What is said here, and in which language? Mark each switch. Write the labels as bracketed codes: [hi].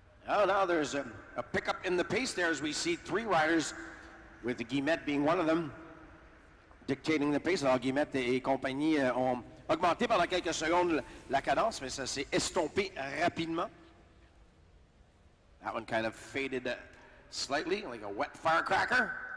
[en] Oh, now there's a pickup in the pace there as we see three riders, with Guillemette being one of them, dictating the pace. [fr] Alors Guillemette et compagnie ont augmenté pendant quelques secondes la cadence, mais ça s'est estompé rapidement. [en] That one kind of faded slightly, like a wet firecracker.